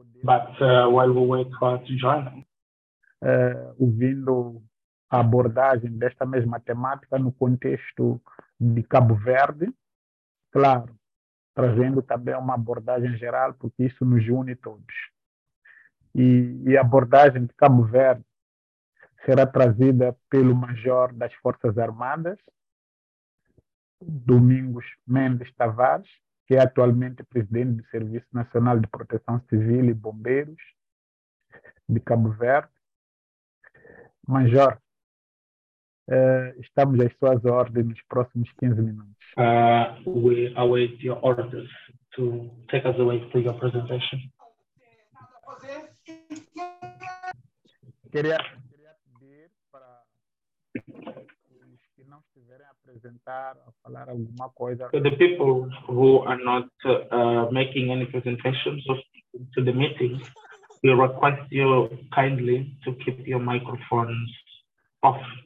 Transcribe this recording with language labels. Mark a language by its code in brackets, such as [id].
[en] But while we wait for us to join them. [pt] Ouvindo a abordagem desta mesma temática no contexto de Cabo Verde, claro, trazendo também uma abordagem geral, porque isso nos une todos. E a abordagem de Cabo Verde será trazida pelo Major das Forças Armadas, Domingos Mendes Tavares, que é atualmente presidente do Serviço Nacional de Proteção Civil e Bombeiros de Cabo Verde. Major, estamos às suas ordens nos próximos 15 minutos. [en] We await your orders to take us away for your presentation. [pt] Queria pedir para os que não estiverem apresentando. apresentar, a falar alguma coisa. [en] To the people who are not making any presentations of, to the meeting, we request you kindly to keep your microphones off.